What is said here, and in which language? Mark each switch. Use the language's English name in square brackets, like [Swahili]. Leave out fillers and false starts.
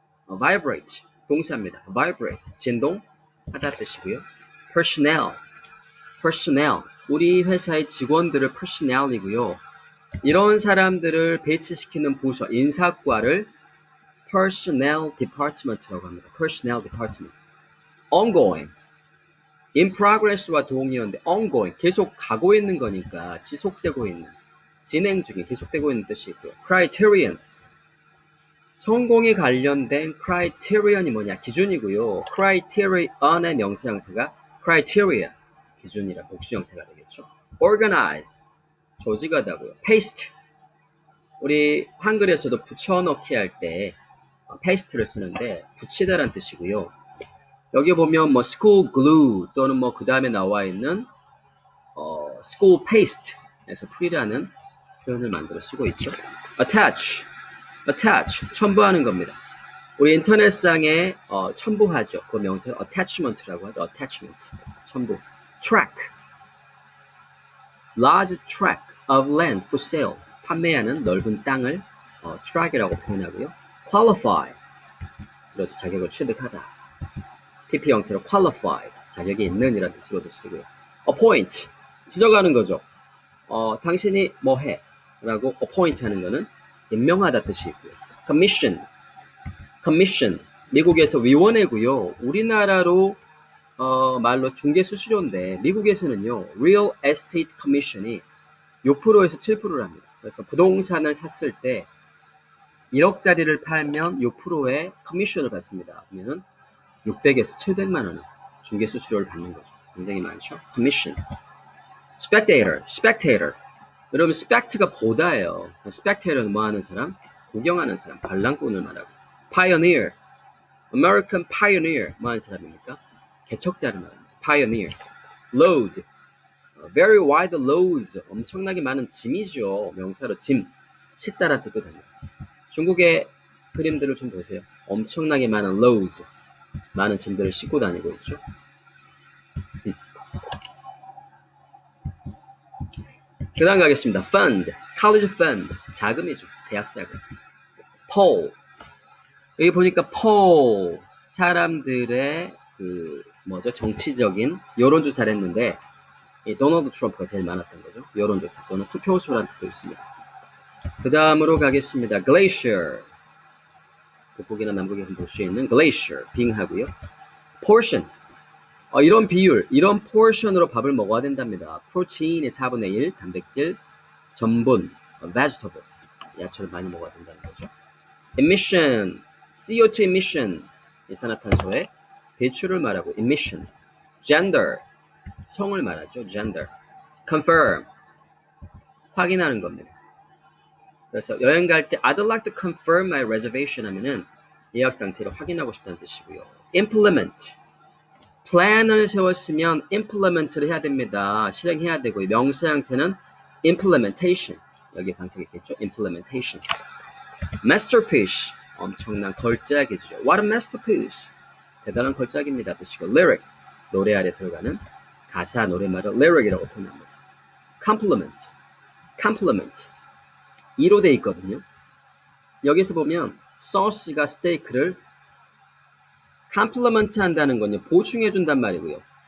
[Korean] Vibrate. 동사입니다. Vibrate. 진동. 하다 뜻이고요. Personnel. Personnel. 우리 회사의 직원들을 Personnel이고요. 이런 사람들을 배치시키는 부서, 인사과를 Personnel Department라고 합니다. [English] Personnel Department. Ongoing. In progress와 동의어인데 Ongoing. [Korean] 계속 가고 있는 거니까 지속되고 있는. 진행 중에 계속되고 있는 뜻이 있고요. Criterion. 성공에 관련된 criterion이 뭐냐? 기준이고요. criterion의 명사 형태가 criteria, 기준이라 복수 형태가 되겠죠. organize, 조직하다고요. paste, 우리 한글에서도 붙여넣기 할 때 paste를 쓰는데 붙이다란 뜻이고요. 여기 보면 뭐 school glue 또는 뭐 그 다음에 나와있는 school paste에서 풀이라는 표현을 만들어 쓰고 있죠. [English] attach. [Korean] Attach, 첨부하는 겁니다. 우리 인터넷상에 첨부하죠. 그 명사 attachment라고 하죠. Attachment, 첨부. [English] Track, large track of land for sale. [Korean] 판매하는 넓은 땅을 track이라고 표현하고요. Qualify, 그래도 자격을 취득하다. PP 형태로 qualified, 자격이 있는이라는 뜻으로도 쓰고요. Appoint, 지적하는 거죠. 당신이 뭐 해? 라고 appoint 하는 거는 임명하다 뜻이 있고요. Commission. Commission. 미국에서 위원회고요. 우리나라로 말로 중개수수료인데 미국에서는요. Real Estate Commission이 6%에서 7%를 합니다. 그래서 부동산을 샀을 때 1억짜리를 팔면 6%의 커미션을 받습니다. 그러면 600에서 700만원을 중개수수료를 받는 거죠. 굉장히 많죠. Commission. Spectator. Spectator. 여러분, 스펙트가 보다예요. 스펙테이터는 뭐하는 사람? 구경하는 사람, 관람꾼을 말하고. [English] Pioneer, American Pioneer, [Korean] 뭐하는 사람입니까? 개척자를 말합니다. Pioneer. [English] Load, very wide loads, [Korean] 엄청나게 많은 짐이죠. 명사로 짐, 싣다라는 뜻도 됩니다. 중국의 그림들을 좀 보세요. 엄청나게 많은 loads, 많은 짐들을 싣고 다니고 있죠. 그 다음 가겠습니다. [English] Fund, college fund, 자금이죠. [Korean] 대학 자금. Poll, 여기 보니까 poll, 사람들의 그 뭐죠, 정치적인 여론조사를 했는데 이 도널드 트럼프가 제일 많았던 거죠. 여론조사 또는 투표수라는 것도 있습니다. 그 다음으로 가겠습니다. Glacier, 북극이나 남극에서 볼 수 있는 Glacier, 빙하고요. Portion, 이런 비율, 이런 포션으로 밥을 먹어야 된답니다. 프로틴의 4분의 1, 단백질, 전분, vegetable, 야채를 많이 먹어야 된다는 거죠. [English] Emission, CO2 emission, [Korean] 이산화탄소의 배출을 말하고, [English] emission. [Korean] Gender, 성을 말하죠, gender. Confirm, 확인하는 겁니다. 그래서 여행 갈 때 [English] I'd like to confirm my reservation [Korean] 하면은 예약 상태를 확인하고 싶다는 뜻이고요. Implement, 플랜을 세웠으면 implement를 해야 됩니다. 실행해야 되고 명사 형태는 implementation, 여기 방식이겠죠. implementation. masterpiece, 엄청난 걸작이죠. [English] What a masterpiece, [Korean] 대단한 걸작입니다. 뜻이고 lyric, 노래 아래 들어가는 가사 노래말을 lyric이라고 표현합니다. compliment, compliment 2로 돼 있거든요. 여기서 보면 소스가 스테이크를 컴플리먼트 한다는 건요, 보충해 준단 말이고요.